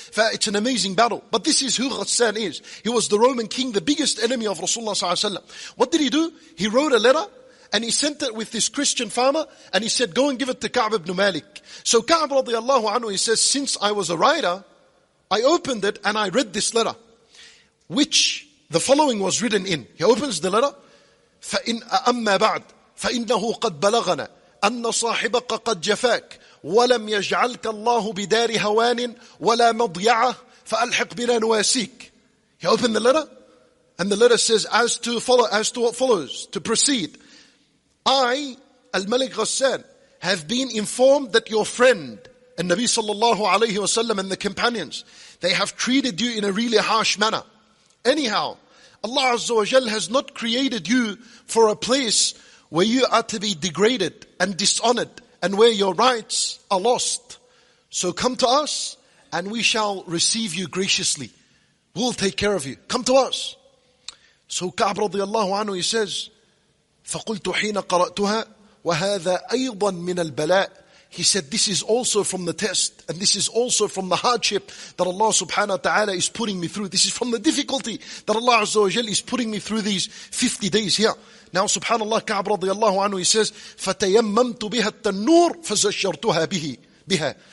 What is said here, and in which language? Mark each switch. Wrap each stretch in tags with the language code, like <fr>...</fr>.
<en>It's an amazing battle. But this is who Ghassan is. He was the Roman king, the biggest enemy of Rasulullah sallallahu alayhi wa sallam. What did he do? He wrote a letter and he sent it with this Christian farmer and he said, go and give it to Ka'b ibn Malik. So Ka'b radiallahu anhu, he says, since I was a writer, I opened it and I read this letter, which the following was written in. He opens the letter.</en> <ar>فَإِنْ أَمَّا بَعْدْ فَإِنَّهُ قَدْ بَلَغَنَا أَنَّ صَاحِبَكَ قَدْ جَفَاكَ وَلَمْ يَجْعَلْكَ اللَّهُ بِدَارِ هَوَانٍ وَلَا مَضْيَعَهُ فَأَلْحِقْ بِنَا نُوَاسِيكَ</ar> <en>He opened the letter And the letter says, as to what follows, to proceed. I, Al-Malik Ghassan, have been informed that your friend, and Nabi sallallahu alayhi wasallam and the companions, they have treated you in a really harsh manner. Anyhow, Allah Azza wa Jal has not created you for a place where you are to be degraded and dishonored and where your rights are lost. So come to us and we shall receive you graciously. We'll take care of you. Come to us. So Ka'b radiallahu anhu, he says,</en> <ar>فَقُلْتُ حِينَ قَرَأْتُهَا وَهَذَا أَيْضًا مِنَ الْبَلَاءِ.</ar> <en>He said, this is also from the test, and this is also from the hardship that Allah subhanahu wa ta'ala is putting me through. This is from the difficulty that Allah azza wa jal is putting me through these 50 days here. Now subhanallah, Ka'b radiallahu anhu, he says,</en> <ar>فَتَيَمَّمْتُ بِهَا التَّنُّورِ فَزَشَّرْتُهَا بِهَا.</ar>